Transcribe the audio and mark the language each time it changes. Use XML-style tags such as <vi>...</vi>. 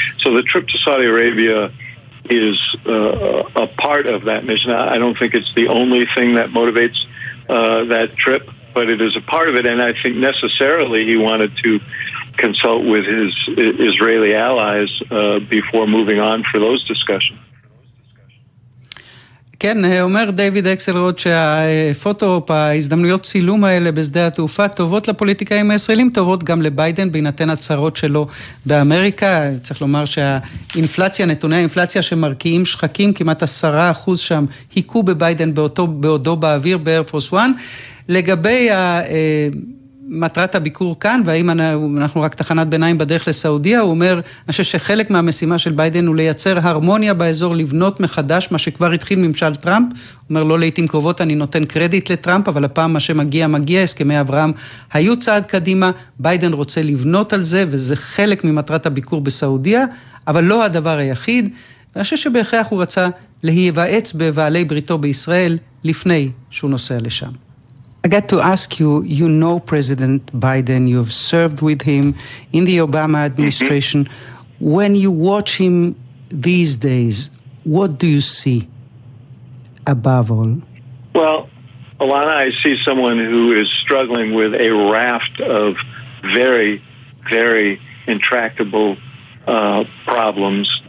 <en>So the trip to Saudi Arabia is a part of that mission. I don't think it's the only thing that motivates that trip, but it is a part of it, and I think necessarily he wanted to consult with his Israeli allies before moving on for those discussions.</en> <he>כן, אומר דיוויד אקסלרוד שהפוטו-אופ, ההזדמנויות צילום האלה בשדה התעופה, טובות לפוליטיקאים הישראלים, טובות גם לביידן, בהינתן הצרות שלו באמריקה. צריך לומר שהאינפלציה, נתוני האינפלציה שמרקיעים שחקים, כמעט 10% שם, היכו בביידן בעודו באוויר באיירפורס 1. לגבי מטרת הביקור כאן, והאם אנחנו רק תחנת ביניים בדרך לסעודיה, הוא אומר, אני חושב שחלק מהמשימה של ביידן הוא לייצר הרמוניה באזור, לבנות מחדש מה שכבר התחיל ממשל טראמפ. הוא אומר, לא לעתים קרובות אני נותן קרדיט לטראמפ, אבל הפעם מה שמגיע מגיע, הסכמי אברהם היו צעד קדימה, ביידן רוצה לבנות על זה, וזה חלק ממטרת הביקור בסעודיה, אבל לא הדבר היחיד. אני חושב שבהכרח הוא רצה להיוועץ בבעלי בריתו בישראל לפני שהוא נוסע לשם.</he> <en>I got to ask you, you know President Biden, you've served with him in the Obama administration. Mm-hmm. When you watch him these days, what do you see above all? Well, Alana, I see someone who is struggling with a raft of very, very intractable problems.</en>